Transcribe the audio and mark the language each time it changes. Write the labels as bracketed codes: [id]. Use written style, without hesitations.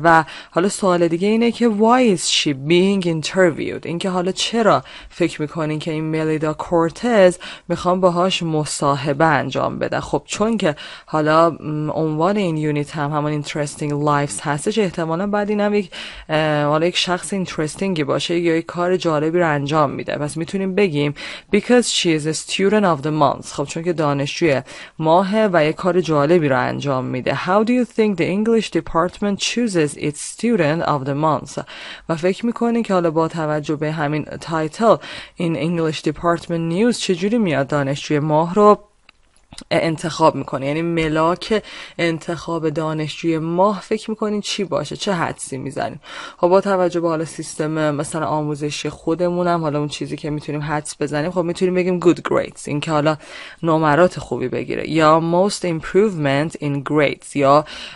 [fa] و حالا سوال دیگه اینه که [en] why is she being interviewed؟ [fa] اینکه حالا چرا فکر میکنین که این ملیدا کورتز میخوام باهاش مصاحبه انجام بده؟ خب چون که حالا عنوان این یونیت هم همون interesting lives هستش، احتمالا بعد این هم یک شخص interesting باشه یا یک کار جالبی رو انجام انجام میده. پس میتونیم بگیم [en] because she is a student of the month. [fa] خب چون که دانشجوی ماه و یه کار جالبی رو انجام میده. [en] How do you think the English department chooses its student of the month? [fa] و فکر میکنین که حالا با توجه به همین تایتل این English department news چجوری میاد دانشجوی ماه رو انتخاب میکنه، یعنی ملاک انتخاب دانشجوی ماه فکر میکنین چی باشه، چه حدسی میزنین؟ خب با توجه به حالا سیستم مثلا آموزشی خودمونم، حالا اون چیزی که میتونیم حدس بزنیم، خب میتونیم بگیم good grades، این که حالا نمرات خوبی بگیره، یا most improvement in grades، یا